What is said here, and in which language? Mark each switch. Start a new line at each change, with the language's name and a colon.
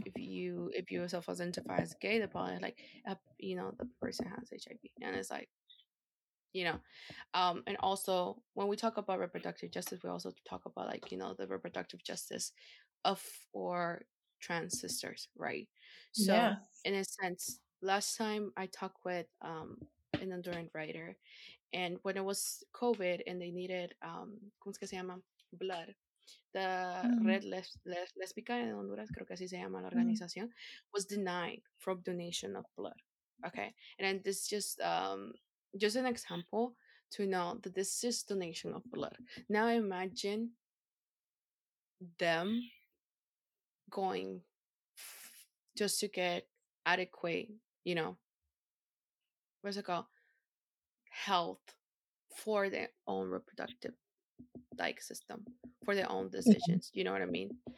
English: if you yourself identify as gay, the problem is, like, you know, the person has HIV, and it's like, you know, and also when we talk about reproductive justice, we also talk about, like, you know, the reproductive justice for trans sisters, right? So yeah. In a sense, last time I talked with an Honduran writer, and when it was COVID and they needed
Spanish: ¿cómo es que se llama?
English: Blood, the mm-hmm.
Spanish: Red Lesbica en Honduras, creo que así se llama la organización, mm-hmm.
English: was denied from donation of blood. Okay, and then this just an example to know that this is donation of blood. Now imagine them going just to get adequate, you know, what's it called, health for their own reproductive, like, system, for their own decisions, you know what I mean?